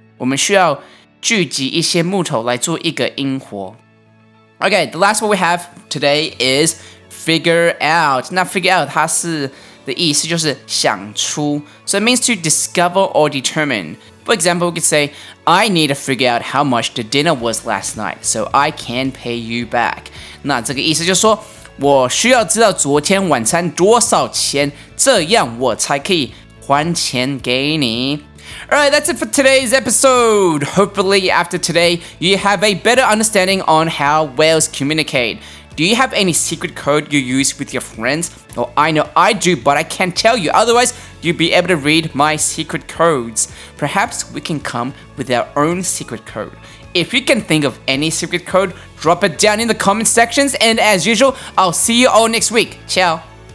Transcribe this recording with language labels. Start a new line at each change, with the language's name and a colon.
Chinese: 我们需要 聚集一些木头来做一个萤火。
English: Okay, the last one we have today is figure out.
Chinese: 那figure out 它的意思就是想出。
English: So it means to discover or determine. For example, we could say, I need to figure out how much the dinner was last night, so I can pay you back.
Chinese: 那这个意思就是说, 我需要知道昨天晚餐多少钱，这样我才可以还钱给你。
English: Alright, that's it for today's episode. Hopefully, after today, you have a better understanding on how whales communicate. Do you have any secret code you use with your friends? Well, I know I do, but I can't tell you. Otherwise, you'd be able to read my secret codes. Perhaps we can come with our own secret code. If you can think of any secret code, drop it down in the comment sections. And as usual, I'll see you all next week. Ciao.